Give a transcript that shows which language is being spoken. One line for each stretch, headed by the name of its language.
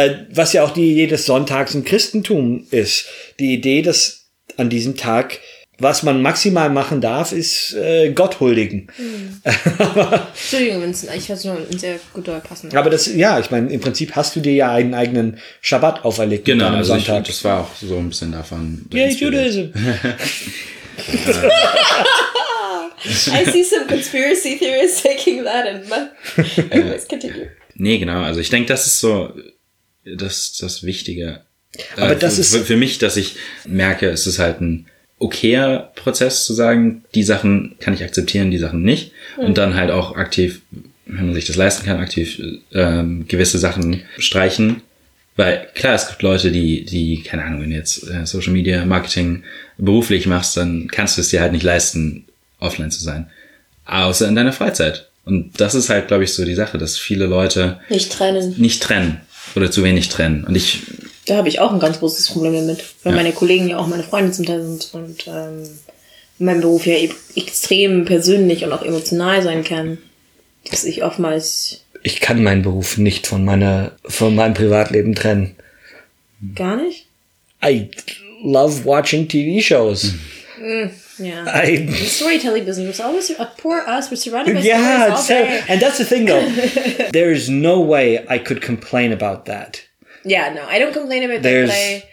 German: Was ja auch die Idee des Sonntags im Christentum ist. Die Idee, dass an diesem Tag Was man maximal machen darf, ist Gott huldigen. Mhm. Entschuldigung, ich weiß nur, ein sehr guter passender. Aber das, ja, ich meine, im Prinzip hast du dir ja einen eigenen Schabbat auferlegt. Genau, mit deinem also Sonntag. Das war auch so ein bisschen davon. Ja, Judaism.
English: I see some conspiracy theorists taking that and let's continue.
German: Nee, genau. Also ich denke, das ist so das Wichtige. Aber das ist für mich, dass ich merke, es ist halt ein okayer Prozess zu sagen, die Sachen kann ich akzeptieren, die Sachen nicht. Mhm. Und dann halt auch aktiv, wenn man sich das leisten kann, aktiv gewisse Sachen streichen. Weil klar, es gibt Leute, die keine Ahnung, wenn du jetzt Social Media Marketing beruflich machst, dann kannst du es dir halt nicht leisten, offline zu sein. Außer in deiner Freizeit. Und das ist halt, glaube ich, so die Sache, dass viele Leute nicht trennen oder zu wenig trennen. Und ich da habe ich auch ein ganz großes Problem damit, weil meine Kollegen ja auch meine Freunde zum Teil sind und mein Beruf ja extrem persönlich und auch emotional sein kann, dass ich oftmals... Ich kann meinen Beruf nicht von meinem Privatleben trennen. Gar nicht?
English: I love watching TV-Shows. Yeah. The storytelling business was always poor us. We're surrounded by stories all day. And that's the thing, though. There is no way I could complain about that. Yeah, no, I don't complain about that.